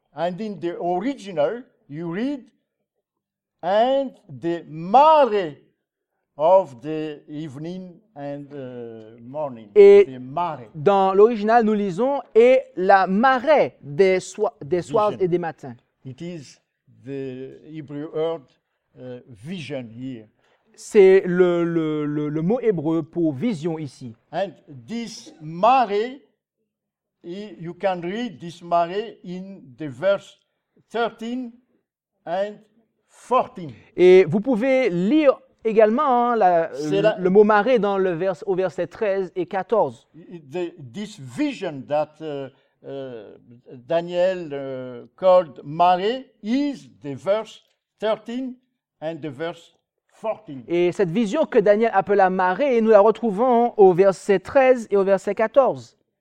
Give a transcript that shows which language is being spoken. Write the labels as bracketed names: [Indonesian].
[English] And in the original, you read, and the mare of the evening and morning. [French] Et [English] the mare. [French] Dans l'original, nous lisons et la marée des soirs et des matins. [English] It is the Hebrew word vision here. [French] C'est le mot hébreu pour vision ici. [English] And this mare, you can read this mare in the verse 13 and 14. [French] Et vous pouvez lire également hein, le mot mare dans au verset 13 et 14. [English] This vision that Daniel called mare is the verse 13 and the verse 14. [French] Et cette vision que Daniel appela marée, nous la retrouvons au verset 13 et au verset 14.